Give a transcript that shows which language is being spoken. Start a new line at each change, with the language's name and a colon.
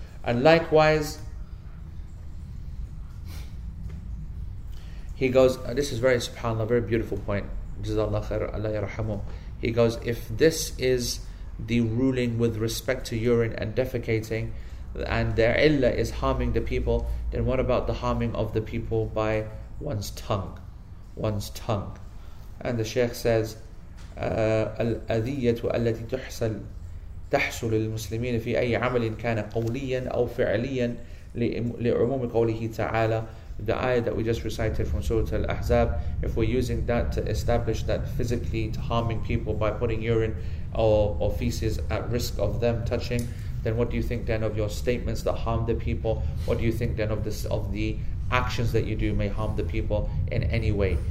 English: And likewise, he goes, this is very subhanAllah, very beautiful point. JazakAllah khair, Allah yarhamu. He goes, if this is the ruling with respect to urine and defecating, and their illah is harming the people, then what about the harming of the people by one's tongue? One's tongue.
Arabic: And the Shaykh says, الأذية التي تحصل للمسلمين في أي عمل كان قوليا أو فعليا لعموم قوله تعالى.
English: The ayah that we just recited from Surah Al-Ahzab, if we're using that to establish that physically harming people by putting urine or feces at risk of them touching, then what do you think then of your statements that harm the people? What do you think then of this, of the actions that you do may harm the people in any way?